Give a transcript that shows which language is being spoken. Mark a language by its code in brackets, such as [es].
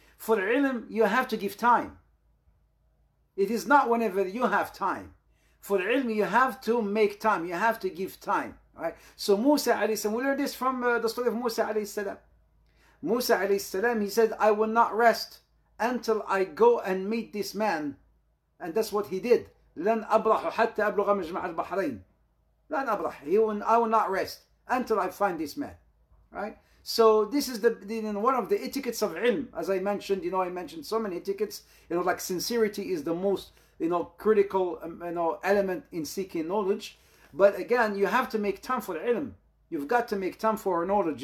[en] For ilm, you have to give time. It is not whenever you have time. For the ilm, you have to make time. You have to give time, right? So Musa alayhi salam, we learn this from the story of Musa alayhi salam. Musa alayhi salam, he said, I will not rest until I go and meet this man. And that's what he did. [ar] لن أبرح حتى أبلغ مجمع البحرين. لن أبرح. [en] I will not rest until I find this man, right? So this is one of the etiquettes of ilm. As I mentioned, I mentioned so many etiquettes. Like sincerity is the most, critical, element in seeking knowledge. But again, you have to make time for ilm. You've got to make time for knowledge.